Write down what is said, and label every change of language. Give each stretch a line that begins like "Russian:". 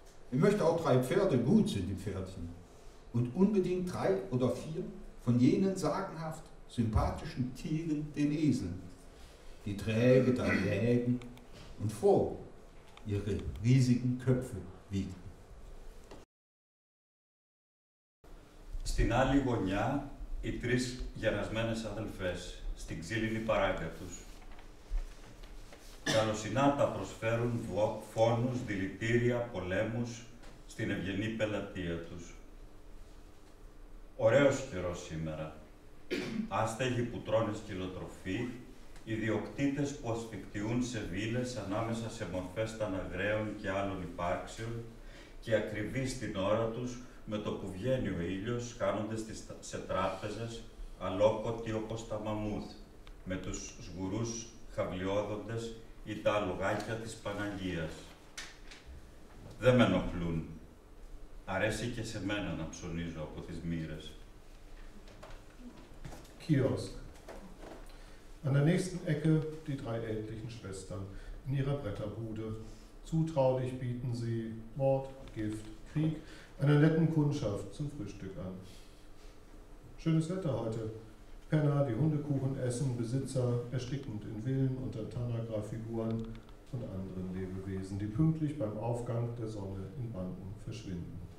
German: Ich möchte auch 3 Pferde, gut sind die Pferdchen. Und unbedingt 3 oder 4 von jenen sagenhaft sympathischen Tieren, den Eseln, die träge da lägen und froh ihre riesigen Köpfe wiegen.
Greek: Στην άλλη γωνιά, οι 3 γερασμένες αδελφές, στην ξύλινη παράγκα τους. Καλοσυνάτα προσφέρουν φόνους, δηλητήρια, πολέμους στην ευγενή πελατεία τους. Ωραίος καιρός σήμερα. Άστεγοι που τρώνε σκυλοτροφή, ιδιοκτήτες που ασφικτιούν σε βίλες ανάμεσα σε μορφές ταναγραίων και άλλων υπάρξεων και ακριβείς την ώρα τους με το που βγαίνει ο ήλιος χάνονται σε τράπεζες αλόκοτοι όπως τα μαμούθ με τους σγουρούς χαβλιόδοντες ή τα αλογάκια της Παναγίας. Δεν με ενοχλούν. Αρέσει και σε μένα να ψωνίζω από τις μοίρες.
German: Kiosk. An der nächsten Ecke die 3 ältlichen Schwestern in ihrer Bretterbude. Zutraulich bieten sie Mord, Gift, Krieg einer netten Kundschaft zum Frühstück an. Schönes Wetter heute. Penner, die Hundekuchen essen, Besitzer erstickend in Villen unter Tanagra-Figuren und anderen Lebewesen, die pünktlich beim Aufgang der Sonne in Banden verschwinden.